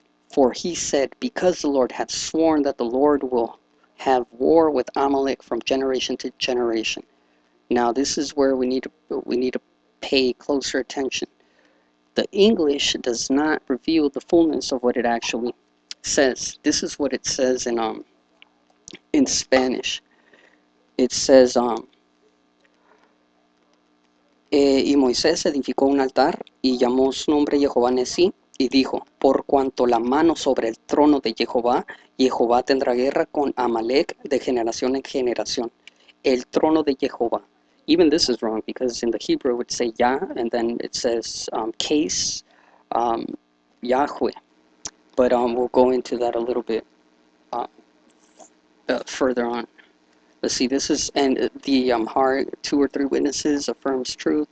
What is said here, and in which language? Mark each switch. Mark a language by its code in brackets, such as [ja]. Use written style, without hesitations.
[en] For he said, because the Lord hath sworn that the Lord will have war with Amalek from generation to generation. Now this is where we need to pay closer attention. The English does not reveal the fullness of what it actually says. This is what it says in Spanish. It says, [es] y Moisés edificó un altar y llamó su nombre Jehová Nissi, y dijo, por cuanto la mano sobre el trono de Jehová, Jehová tendrá guerra con Amalek de generación en generación. El trono de Jehová. [en] Even this is wrong, because in the Hebrew it would say Yah, and then it says Yahweh. But we'll go into that a little bit further on. Let's see, this is, and the Amharic, two or three witnesses affirms truth.